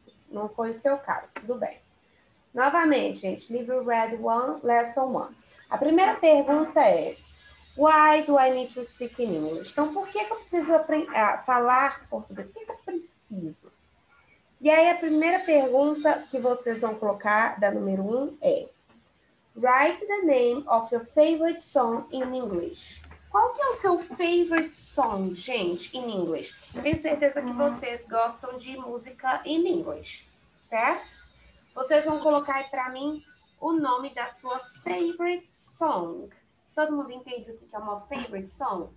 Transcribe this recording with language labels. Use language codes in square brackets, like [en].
[pt] Não foi o seu caso, tudo bem. Novamente, gente, livro Red One, Lesson One. A primeira pergunta é... [en] Why do I need to speak in English? [pt] Então, por que, que eu preciso falar português? Por que, que eu preciso? E aí, a primeira pergunta que vocês vão colocar, da número 1, é... [en] Write the name of your favorite song in English. [pt] Qual que é o seu favorite song, gente, [en] in English? [pt] Tenho certeza que vocês gostam de música [en] in English, [pt] certo? Vocês vão colocar aí pra mim o nome da sua favorite song. Todo mundo entende o que é uma favorite song?